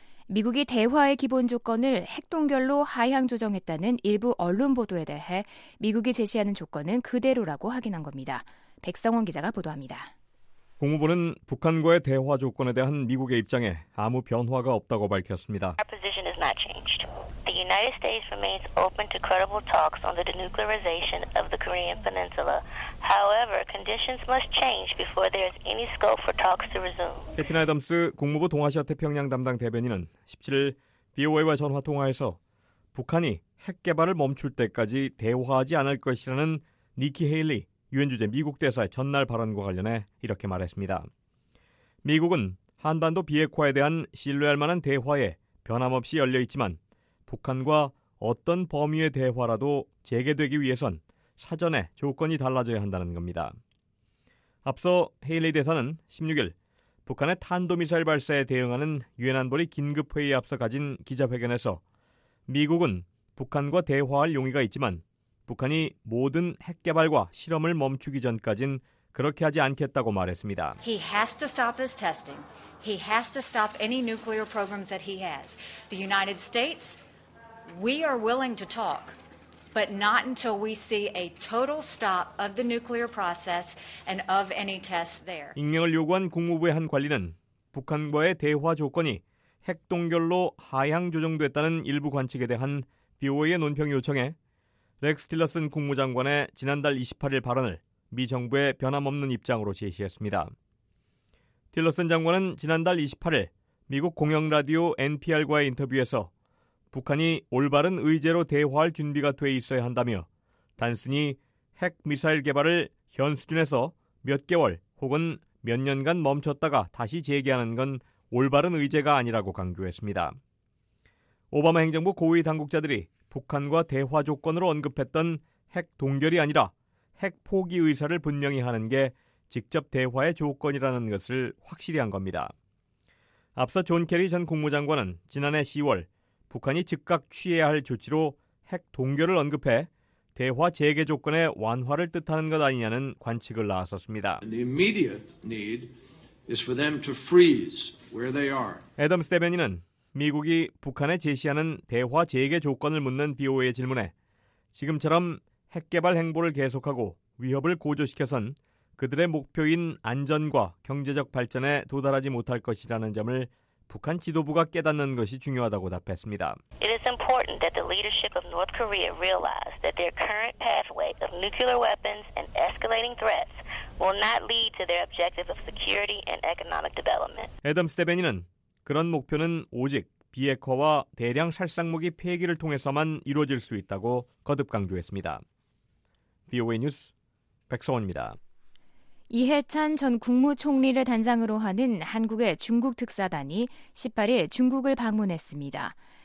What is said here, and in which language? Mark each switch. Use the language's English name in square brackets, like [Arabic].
[Korean] 미국이 대화의 기본 조건을 핵동결로 하향 조정했다는 일부 언론 보도에 대해 미국이 제시하는 조건은 그대로라고 확인한 겁니다. 백성원 기자가 보도합니다. 국무부는 북한과의 대화 조건에 대한 미국의 입장에 아무 변화가 없다고 밝혔습니다. [English] Our position has not changed. The United States remains open to credible talks on the denuclearization of the Korean Peninsula. However, conditions must change before there is any scope for talks to resume. [Korean] 캐티 아담스 국무부 동아시아태평양 담당 대변인은 17일 BOA와 전화 통화에서 북한이 핵 개발을 멈출 때까지 대화하지 않을 것이라는 니키 헤일리 유엔 주재 미국 대사의 전날 발언과 관련해 이렇게 말했습니다. 미국은 한반도 비핵화에 대한 신뢰할 만한 대화에 변함없이 열려 있지만 북한과 어떤 범위의 대화라도 재개되기 위해선 사전에 조건이 달라져야 한다는 겁니다. 앞서 헤일리 대사는 16일 북한의 탄도미사일 발사에 대응하는 유엔 안보리 긴급회의 앞서 가진 기자회견에서 미국은 북한과 대화할 용의가 있지만 북한이 모든 핵 개발과 실험을 멈추기 전까진 그렇게 하지 않겠다고 말했습니다. [English] He has to stop his testing. He has to stop any nuclear programs that he has. The United States, we are willing to talk, but not until we see a total stop of the nuclear process and of any tests there. [Korean] 익명을 요구한 국무부의 한 관리는 북한과의 대화 조건이 핵 동결로 하향 조정됐다는 일부 관측에 대한 BOA의 논평 요청에 렉스 틸러슨 국무장관의 지난달 28일 발언을 미 정부의 변함없는 입장으로 제시했습니다. 틸러슨 장관은 지난달 28일 미국 공영라디오 NPR과의 인터뷰에서 북한이 올바른 의제로 대화할 준비가 돼 있어야 한다며 단순히 핵미사일 개발을 현 수준에서 몇 개월 혹은 몇 년간 멈췄다가 다시 재개하는 건 올바른 의제가 아니라고 강조했습니다. 오바마 행정부 고위 당국자들이 북한과 대화 조건으로 언급했던 핵 동결이 아니라 핵 포기 의사를 분명히 하는 게 직접 대화의 조건이라는 것을 확실히 한 겁니다. 앞서 존 케리 전 국무장관은 지난해 10월 북한이 즉각 취해야 할 조치로 핵 동결을 언급해 대화 재개 조건의 완화를 뜻하는 것 아니냐는 관측을 나섰습니다. [English] The immediate need is for them to freeze where they are. [Korean] 애덤스 대변인은 미국이 북한에 제시하는 대화 재개 조건을 묻는 BOA의 질문에 지금처럼 핵개발 행보를 계속하고 위협을 고조시켜선 그들의 목표인 안전과 경제적 발전에 도달하지 못할 것이라는 점을 북한 지도부가 깨닫는 것이 중요하다고 답했습니다. [English] It is important that the leadership of North Korea realize that their current pathway of nuclear weapons and escalating threats will not lead to their objective of security and economic development. [Korean] 애덤 스테베니는 그런 목표는 오직 비핵화와 대량 살상무기 폐기를 통해서만 이루어질 수 있다고 거듭 강조했습니다. VOA 뉴스 백성원입니다. 이해찬 전 국무총리를 단장으로 하는 한국의 중국 특사단이 18일 중국을 방문했습니다.